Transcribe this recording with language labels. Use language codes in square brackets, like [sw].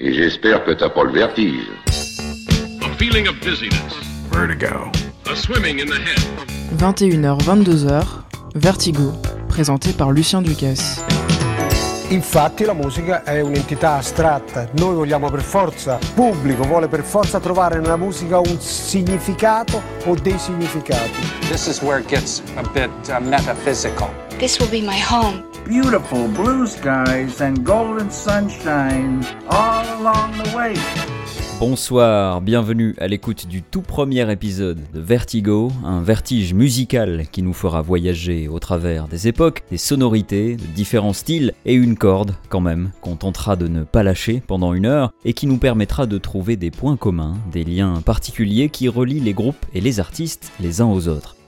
[fr] Et j'espère que t'as pas le vertige. [en] A feeling of dizziness. Vertigo. A swimming in the head. [fr] 21h-22h, Vertigo, présenté par Lucien Ducasse. [it] Infatti la musica è un'entità astratta, noi vogliamo per forza, pubblico vuole per forza trovare nella musica un significato o dei significati. [en] This is where it gets a bit metaphysical. This will be my home. Beautiful blue skies and golden sunshine all along the way. [fr] Bonsoir, bienvenue à l'écoute du tout premier épisode de Vertigo, un vertige musical qui nous fera voyager au travers des époques, des sonorités, de différents styles et une corde, quand même, qu'on tentera de ne pas lâcher pendant une heure et qui nous permettra de trouver des points communs, des liens particuliers qui relient les groupes et les artistes les uns aux autres.